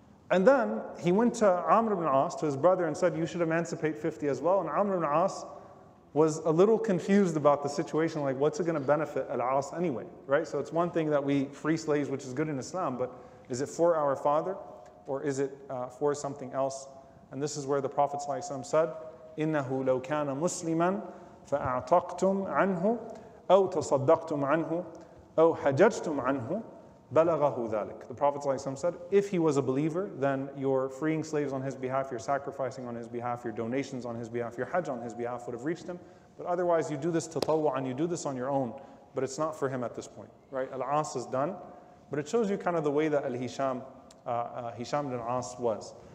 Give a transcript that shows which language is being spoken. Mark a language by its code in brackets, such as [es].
[en] And then he went to Amr ibn As, to his brother, and said, you should emancipate 50 as well. And Amr ibn As was a little confused about the situation, like, what's it going to benefit Al-As anyway, right? So it's one thing that we free slaves, which is good in Islam, but is it for our father, or is it for something else? And this is where the Prophet ﷺ said, [ar] إِنَّهُ لَوْ كَانَ مُسْلِمًا فَأَعْتَقْتُمْ عَنْهُ أَوْ تَصَدَّقْتُمْ عَنْهُ أَوْ حَجَجْتُمْ عَنْهُ بَلَغَهُ ذَلِكَ. [en] The Prophet ﷺ said, if he was a believer, then you're freeing slaves on his behalf, you're sacrificing on his behalf, your donations on his behalf, your hajj on his behalf would have reached him. But otherwise, you do this tatawwa'an, you do this on your own, but it's not for him at this point, right? Al-As is done. But it shows you kind of the way that Al-Hisham, Hisham ibn al-As was.